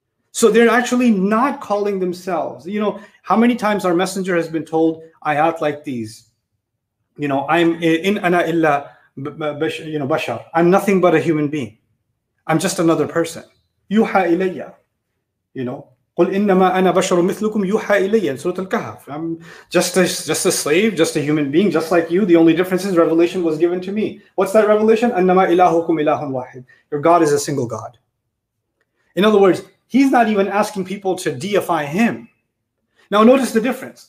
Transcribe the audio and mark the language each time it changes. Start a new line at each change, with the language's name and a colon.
English: So they're actually not calling themselves. You know, how many times our messenger has been told ayat like these? You know, I'm in
Arabic: ana illa bashar.
English: I'm nothing but a human being. I'm just another person.
Arabic: Yuha ilayya.
English: You know,
Arabic: قل إنما أنا بشر مثلكم يوحى إلي سورة الكهف.
English: I'm just a slave, just a human being, just like you. The only difference is revelation was given to me. What's that revelation?
Arabic: أنما إلهكم إله واحد.
English: Your God is a single God. In other words, he's not even asking people to deify him. Now notice the difference.